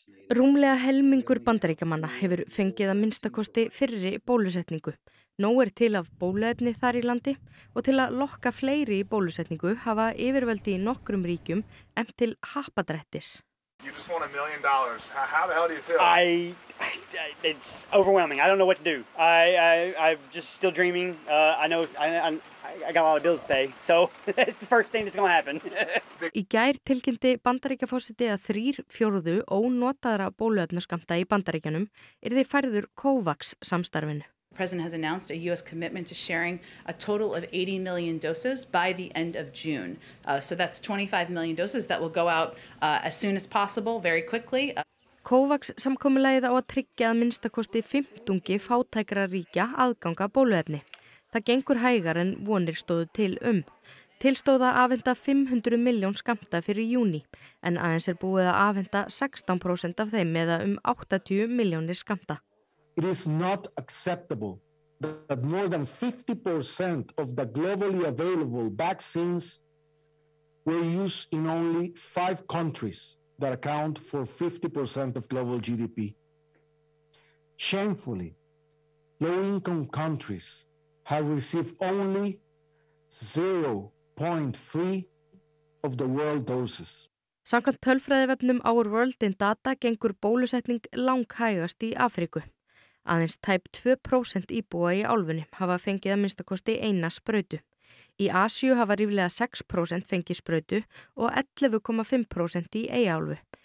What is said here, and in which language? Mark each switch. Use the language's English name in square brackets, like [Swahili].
[Icelandic] Rúmlega helmingur Bandaríkjamanna hefur fengið að minnstakosti fyrri bólusetningu. Nóg er til af bóluefni þar í landi og til að lokka fleiri í bólusetningu hafa yfirvöld í nokkrum ríkjum efnt til happadrættis. [English] You just won $1 million. How the hell do you feel? It's overwhelming. I don't know what to do. I'm just still dreaming. I got a lot of bills to pay. So that's the first thing that's going to happen. [Icelandic] Í gær tilkynnti Bandaríkjaforseti að 3/4 ónotaðra bóluefnaskammta í Bandaríkjunum yrði færður COVAX samstarfinu. [English] The president has announced a U.S. commitment to sharing a total of 80 million doses by the end of June. So that's 25 million doses that will go out as soon as possible, very quickly. [Icelandic] COVAX samkomulagið á að tryggja að minnstakosti 15 fátækra ríkja aðganga bóluefni. Það gengur hægar en vonir stóðu til Tilstóð að afhenda 500 milljón skammta fyrir júní, en aðeins búið að afhenda 16% af þeim eða 80 milljónir skammta. [English] It is not acceptable that more than 50% of the globally available vaccines were used in only 5 countries that account for 50% of global GDP. Shamefully, low-income countries have received only 0.3 of the world doses. [Icelandic] Samkvæmt tölfræðivefnum Our World in Data gengur bólusetning langhægast í Afríku. Aðeins tæp 2% íbúa í álfunni hafa fengið að minnstakosti eina sprautu. Í Asíu hafa ríflega 6% fengið sprautu og 11,5% í eyjaálfu.